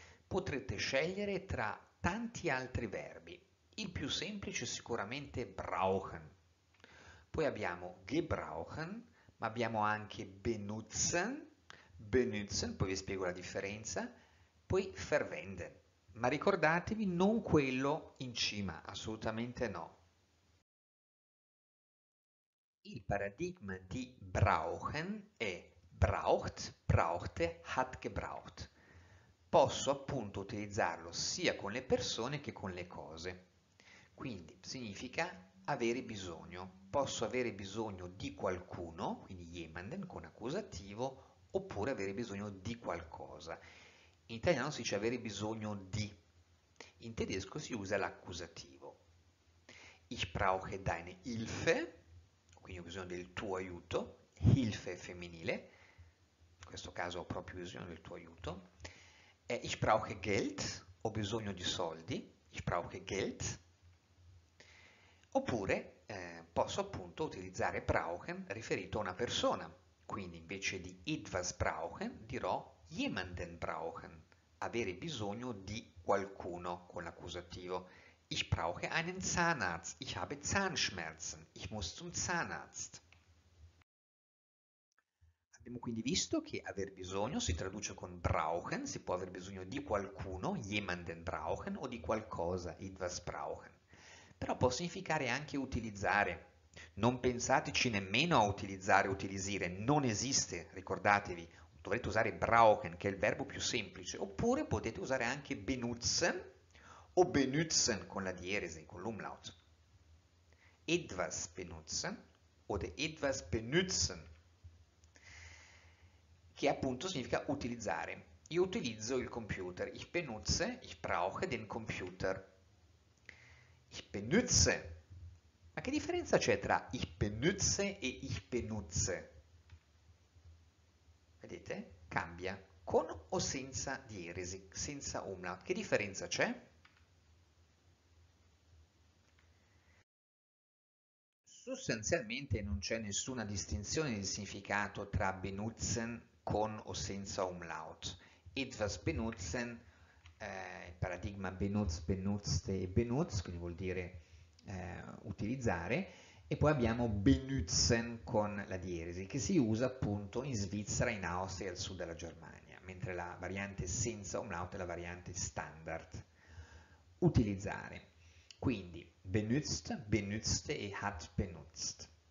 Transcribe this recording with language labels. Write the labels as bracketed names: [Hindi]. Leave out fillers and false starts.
[Italian] Potrete scegliere tra tanti altri verbi, il più semplice è sicuramente brauchen. Poi abbiamo gebrauchen, ma abbiamo anche benutzen, benutzen, poi vi spiego la differenza, poi verwenden. Ma ricordatevi, non quello in cima, assolutamente no. Il paradigma di brauchen è braucht, brauchte, hat gebraucht. Posso appunto utilizzarlo sia con le persone che con le cose. Quindi significa avere bisogno. Posso avere bisogno di qualcuno, quindi jemanden con accusativo, oppure avere bisogno di qualcosa. In italiano si dice avere bisogno di. In tedesco si usa l'accusativo. [German] Ich brauche deine Hilfe, [Italian] quindi ho bisogno del tuo aiuto, Hilfe femminile, in questo caso ho proprio bisogno del tuo aiuto. [German] Ich brauche Geld, [Italian] ho bisogno di soldi, [German] ich brauche Geld. [Italian] Oppure posso appunto utilizzare brauchen riferito a una persona, quindi invece di etwas brauchen dirò jemanden brauchen. Avere bisogno di qualcuno con l'accusativo. [German] Ich brauche einen Zahnarzt. Ich habe Zahnschmerzen. Ich muss zum Zahnarzt. [Italian] Abbiamo quindi visto che aver bisogno si traduce con brauchen, si può aver bisogno di qualcuno, jemanden brauchen, o di qualcosa, etwas brauchen. Però può significare anche utilizzare. Non pensateci nemmeno a utilizzare, utilisire, non esiste, ricordatevi. Dovrete usare brauchen, che è il verbo più semplice, oppure potete usare anche benutzen o benutzen con la diesi, con l'umlaut. Etwas benutzen o de etwas benutzen, che appunto significa utilizzare. Io utilizzo il computer, [German] ich benutze, ich brauche den computer. Ich benutze. [Italian] Ma che differenza c'è tra ich benutze e ich benutze? Vedete? Cambia con o senza diesi, senza umlaut. Che differenza c'è? Sostanzialmente non c'è nessuna distinzione di significato tra benutzen con o senza umlaut. Etwas benutzen, il paradigma benutz, benutzte e benutz, quindi vuol dire utilizzare. E poi abbiamo benutzen con la diesi, che si usa appunto in Svizzera, in Austria e al sud della Germania, mentre la variante senza umlaut è la variante standard. Utilizzare. Quindi benutzt, benutzte e hat benutzt.